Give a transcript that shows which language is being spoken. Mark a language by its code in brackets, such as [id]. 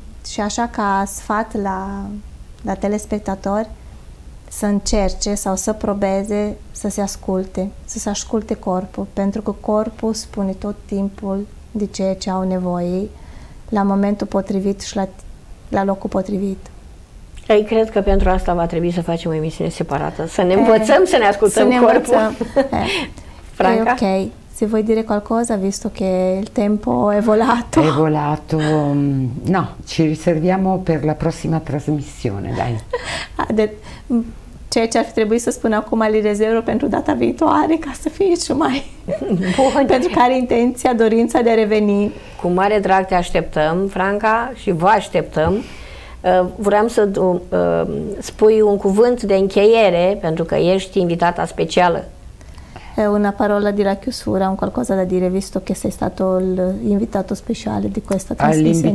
[ro] Și așa, ca sfat la telespectatori, să încerce sau să probeze să se asculte, să se asculte corpul, pentru că corpul spune tot timpul de ceea ce au nevoie la momentul potrivit și la locul potrivit. Ei, cred că pentru asta va trebui să facem o emisiune separată, să ne învățăm să ne ascultăm să ne corpul. Franca? E ok. [it] Se vuoi dire qualcosa, visto che il tempo è volato? È volato. No, ci riserviamo per la prossima trasmissione, dai. [ro] Ceea ce ar fi trebuit să spun acum, li rezervă pentru data viitoare, ca să fie și mai bun. Pentru care intenția, dorința de a reveni. Cu mare drag te așteptăm, Franca, și vă așteptăm. Vreau să spui un cuvânt de încheiere, pentru că ești invitata specială. [it] Una parola di racchiusura, un qualcosa da dire, visto che sei stato l'invitato speciale di questa trasmissione.